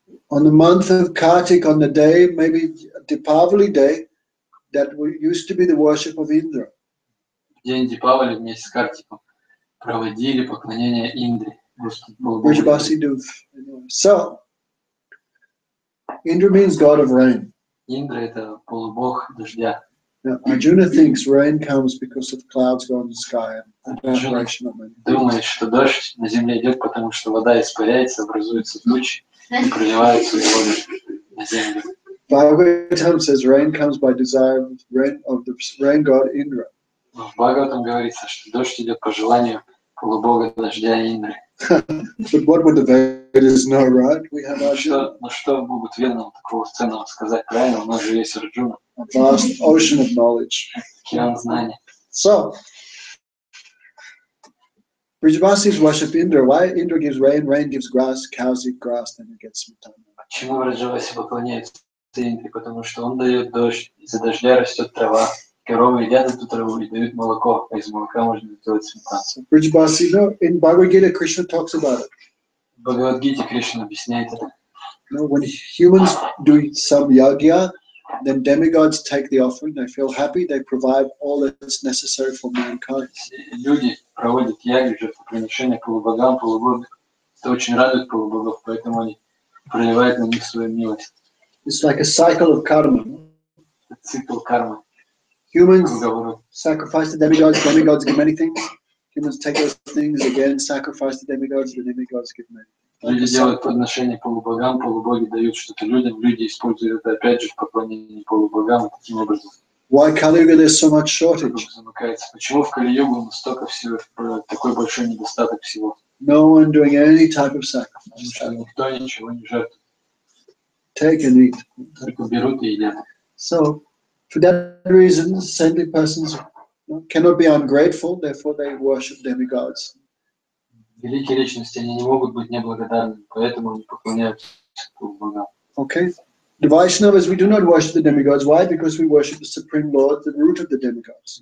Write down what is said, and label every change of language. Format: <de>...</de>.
<en>On the month of Kartik, on the day maybe Deepavali day, that used to be the worship of Indra.</en> <ru>День Дипавали вместе с Картиком проводили поклонение Индре.</ru> <en>Which Basi Duv. So. Indra means god of rain.</en> <ru>Indra это полубог дождя.</ru> <en>Now, Arjuna thinks rain comes because of clouds going in the sky and evaporation of rain.</en> <ru>Думает, что дождь на земле идет, потому что вода испаряется, образуется тучи и проливается воду на землю.</ru> <en>Bhagavatam says rain comes by desire of the rain god Indra.</en> <ru>В Бхагаватам говорится, что дождь идет по желанию глубокого дождя Индры.</ru> <en>But what would the Vedas know, right? We have Arjuna.</en> <ru>Ну что могут Ведам такого ценного сказать, правильно? У нас же есть Арджуна.</ru> <en>A vast ocean of knowledge.</en> <ru>Океан знаний.</ru> <en>So, Vrijavasis worship Indra. Why Indra gives rain? Rain gives grass. Cows eat grass, then it gets</en> <ru>smitana. Почему Vrijavasis поклоняется Индре? Потому что он дает дождь, из-за дождя растет трава. Коровы едят эту траву и дают молоко, а из молока можно делать сметану.</ru> <en>Vrijavasis, you know, in Bhagavad Gita, Krishna talks about it.</en> <ru>В Бхагавад Гите Кришна объясняет это.</ru> <en>No, when humans do some yagya, then demigods take the offering, they feel happy, they provide all that's necessary for mankind.</en> <ru>Люди проводят ягью, жертвоприношение полубогам, полубогам. Это очень радует полубогов, поэтому они проливают на них свою милость.</ru> <en>It's like a cycle of karma.</en> <ru>Цикл кармы.</ru> <en>Humans sacrifice the demigods give many things. Humans take those things again, sacrifice the demigods give many.</en> <ru>Люди делают подношение полубогам, полубоги дают что-то людям, люди используют это опять же в поклонении полубогам таким образом.</ru> <en>Why Kali-yuga there's so much shortage?</en> <ru>Почему в Кали-югу настолько всего такой большой недостаток всего?</ru> <en>No one doing any type of sacrifice.</en> <ru>Никто ничего не жертвует.</ru> <en>Take and eat.</en> <ru>Только берут и едят.</ru> <en>So, for that reason, saintly persons cannot be ungrateful, therefore they worship demigods.</en> <ru>Великие личности, они не могут быть неблагодарными, поэтому они поклоняются богам.</ru> <en>Okay. The Vaishnavas, we do not worship the demigods. Why? Because we worship the Supreme Lord, the root of the demigods.</en>